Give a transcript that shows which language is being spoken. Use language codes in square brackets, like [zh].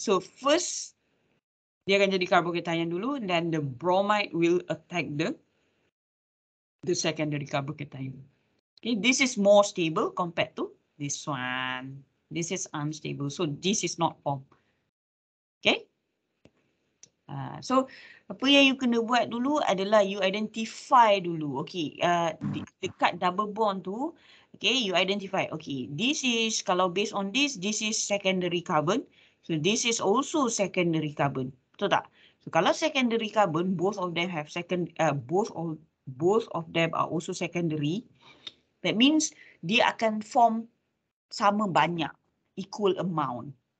[en] So first, [ms] dia akan jadi carbocation dulu, [en] and then the bromide will attack the secondary carbocation. Okay, this is more stable compared to this one. This is unstable, so this is not form. Okay. [ms] So apa yang you kena buat dulu adalah you identify dulu. [en] Okay, dekat double bond tu, okay, you identify. Okay, this is, kalau based on this, this is secondary carbon. So this is also secondary carbon. [ms] Betul tak? [en] So kalau secondary carbon, both of them have second, both of them are also secondary. [ms] That means dia akan form sama banyak, [en] equal amount.